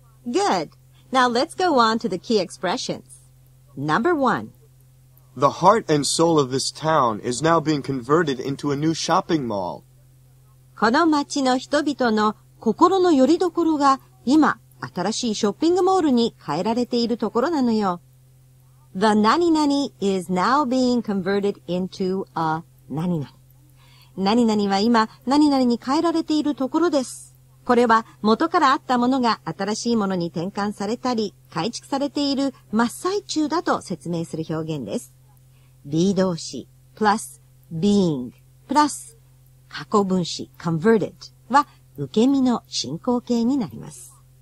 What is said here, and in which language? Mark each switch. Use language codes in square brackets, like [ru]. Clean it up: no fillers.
[en] Good. Now let's go on to the key expressions. Number one. The heart and soul of this town is now being converted into a new shopping mall. [ja] この町の人々の心の拠り所が今新しいショッピングモールに変えられているところなのよ。 [en] The 何々 is now being converted into a 何々。 [ja] 何々は今何々に変えられているところです。これは元からあったものが新しいものに転換されたり改築されている真っ最中だと説明する表現です。 be 動詞 plus being plus 過去分詞 converted は受け身の進行形になります。